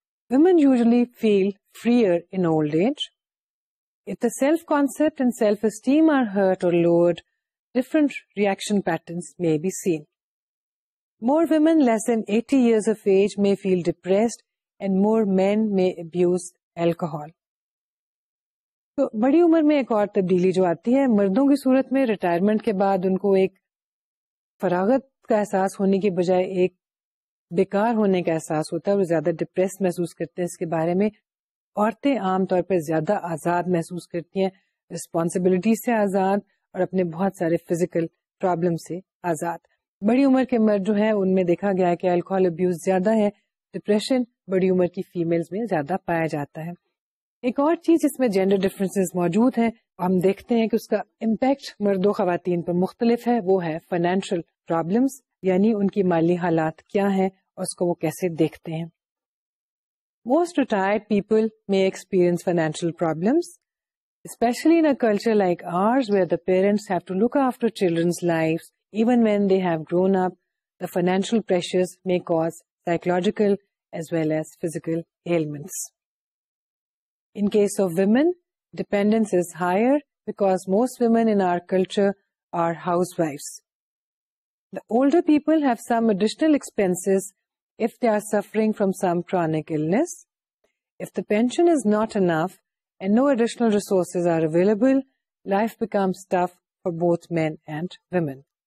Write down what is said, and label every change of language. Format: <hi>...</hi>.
<en>Women usually feel freer in old age. If the self-concept and self-esteem are hurt or lowered, different reaction patterns may be seen. More women less than 80 years of age may feel depressed and more men may abuse alcohol.</en> <ur>So, badi umar mein ek aur tabdili jo aati hai, mardon ki surat mein retirement ke baad unko ek faragat کا احساس ہونے کے بجائے ایک بیکار ہونے کا احساس ہوتا ہے اور زیادہ ڈپریس محسوس کرتے ہیں اس کے بارے میں. عورتیں عام طور پر زیادہ آزاد محسوس کرتی ہیں, رسپانسبلٹی سے آزاد اور اپنے بہت سارے فزیکل پرابلم سے آزاد. بڑی عمر کے مرد جو ہیں ان میں دیکھا گیا ہے کہ الکوہل ابیوز زیادہ ہے, ڈپریشن بڑی عمر کی فیمیلز میں زیادہ پایا جاتا ہے. ایک اور چیز جس میں جینڈر ڈفرینسز موجود ہیں, ہم دیکھتے ہیں کہ اس کا امپیکٹ مرد و خواتین پر مختلف ہے, وہ ہے فائنینشل پرابلمس, یعنی ان کی مالی حالات کیا ہیں اور اس کو وہ کیسے دیکھتے ہیں.</ur> <en>Most retired people may experience financial problems, especially in a culture like ours where the parents have to look after childrens life even when they have grown up. The financial pressures may cause psychological as well as physical elements. In case of women, dependence is higher because most women in our culture are housewives. The older people have some additional expenses if they are suffering from some chronic illness. If the pension is not enough and no additional resources are available, life becomes tough for both men and women.</en>